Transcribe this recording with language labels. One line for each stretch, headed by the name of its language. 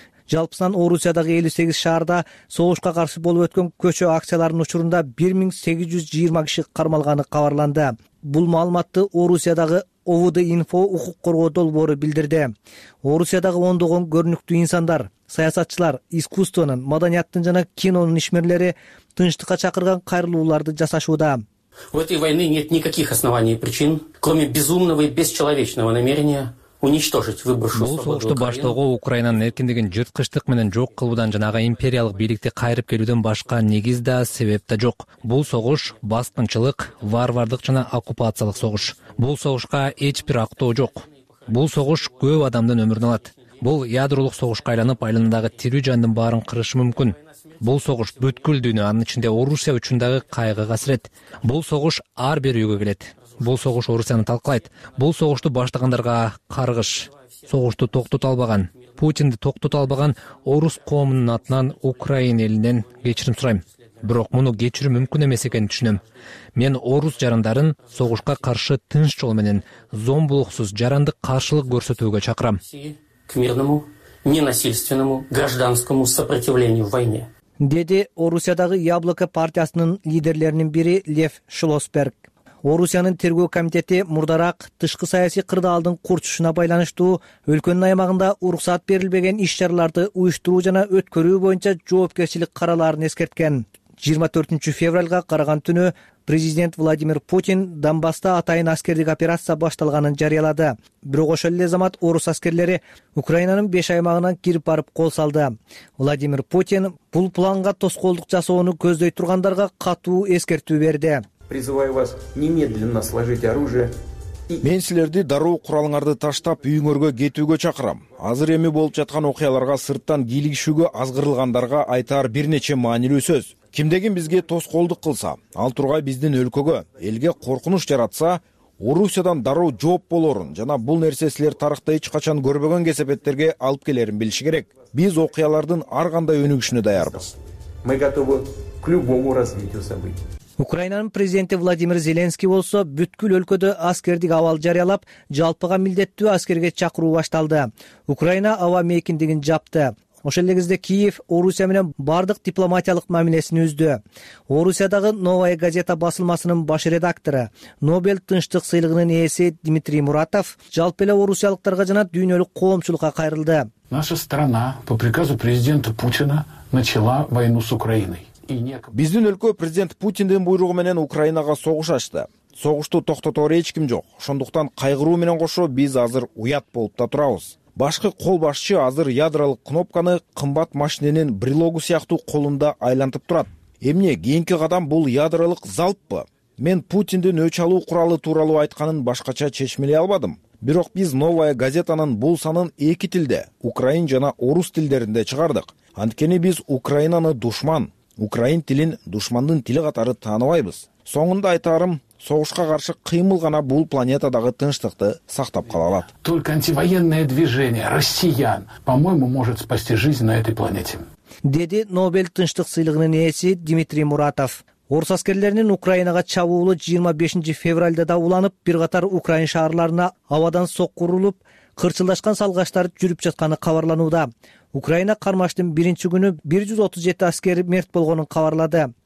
Kyrgyz: Жалпысынан Орусиядагы 58 шаарда согушка каршы болуп өткөн көчө акцияларынын учурунда 1820 киши кармалганы кабарланды. Бул маалыматты Орусиядагы ОВД Инфо укук коргоо долбоору билдирди. Орусиядагы ондогон көрүнүктүү инсандар, саясатчылар, искусствонун, маданияттын жана кинонун ишмерлери тынчтыкка чакырган кайрылууларды жасашууда.
Russian: У этой войны нет никаких оснований и причин, кроме безумного и бесчеловечного намерения.
Kyrgyz: Бул согушту баштоого Украинанын эркиндигин жырткычтык менен жок кылуудан жана ага империялык бийликти кайрып келүүдөн башка негиз да себеп да жок. Бул согуш баскынчылык, варвардык жана оккупациялык согуш. Бул согушка эч бир актоо жок. Бул согуш көп адамдын өмүрүн алат. Бул ядролук согушка айланып, айланадагы тирүү жандын баарын кырышы мүмкүн. Бул согуш бүткүл дүйнө, анын ичинде Орусия үчүн дагы кайгы касирет. Бул согуш ар бир үйгө келет. Бул согуш Орусияны талкалайт. Бул согушту баштагандарга каргыш. Согушту токтото албаган, Путинди токтото албаган орус коомунун атынан Украина элинен кечирим сурайм. Бирок муну кечирүү мүмкүн эмес экенин түшүнөм. Мен орус жарандарын согушка каршы тынч жол менен зомбулуксуз жарандык каршылык көрсөтүүгө чакырам.
Russian: К мирному, ненасильственному, гражданскому сопротивлению в войне.
Kyrgyz: деди Орусиядагы Яблоко партиясынын лидерлеринин бири Лев Шлосберг. Орусиянын тергөө комитети мурдараак тышкы саясий кырдаалдын курчушуна байланыштуу өлкөнүн аймагында уруксат берилбеген иш-чараларды уюштуруу жана өткөрүү боюнча жоопкерчилик караларын эскерткен. 24 февралга караган түнү президент Владимир Путин Донбасста атайын аскердик операция башталганын жарыялады. Бирок ошол эле замат орус аскерлери Украинанын 5 аймагынан кирип барып кол салды. Владимир Путин бул планга тоскоолдук жасоону көздөй тургандарга катуу эскертүү берди.
Russian: Призываю вас немедленно сложить оружие.
Kyrgyz: Мен силерди дароо куралыңарды таштап үйүңөргө кетүүгө чакырам. Азыр эми болуп жаткан окуяларга сырттан кийлигишүүгө азгырылгандарга айтар бир нече маанилүү сөз. Кимде ким бизге тоскоолдук кылса, ал тургай биздин өлкөгө, элге коркунуч жаратса, Орусиядан дароо жооп болорун жана бул нерсе силер тарыхта эч качан көрбөгөн кесепеттерге алып келерин билиши керек. Биз окуялардын ар кандай өнүгүшүнө даярбыз.
Russian: Мы готовы к любому развитию событий.
Kyrgyz: Украинанын президенти Владимир Зеленский болсо бүткүл өлкөдө аскердик абал жарыялап, жалпыга милдеттүү аскерге чакыруу башталды. Украина аба мейкиндигин жапты. Ошол эле кезде Киев Орусия менен бардык дипломатиялык мамилесин үздү. Орусиядагы Новая газета басылмасынын баш редактору, Нобель тынчтык сыйлыгынын ээси Дмитрий Муратов жалпы эле орусиялыктарга жана дүйнөлүк коомчулукка кайрылды.
Russian: Наша страна по приказу президента Путина начала войну с Украиной.
Kyrgyz: Биздин өлкө президент Путиндин буйругу менен Украинага согуш ачты. Согушту токтотор эч ким жок. Ошондуктан кайгыруу менен кошо биз азыр уят болуп да турабыз. Башкы колбашчы азыр ядролук кнопканы кымбат машиненин брелогу сыяктуу колунда айлантып турат. Эмне кийинки кадам бул ядролук залппы? Мен Путиндин өч алуу куралы тууралуу айтканын башкача чечмелей албадым. Бирок биз Новая газетанын бул санын эки тилде, украин жана орус тилдеринде чыгардык. Анткени биз Украинаны душман, украин тилин душмандын тили катары тааныбайбыз. Соңунда айтарым, согушка каршы кыймыл гана бул планетадагы тынчтыкты сактап кала алат.
Russian: Только антивоенное движение россиян, по-моему, может спасти жизнь на этой планете.
Kyrgyz: Деди Нобель тынчтык сыйлыгынын ээси Дмитрий Муратов. Орус аскерлеринин Украинага чабуулу 25 февралда да уланып, бир катар украин шаарларына абадан соккурулуп, кырчылдашкан салгаштар жүрүп жатканы кабарланууда. Украина кармаштын биринчи күнү 137 аскер мерт болгонун кабарлады.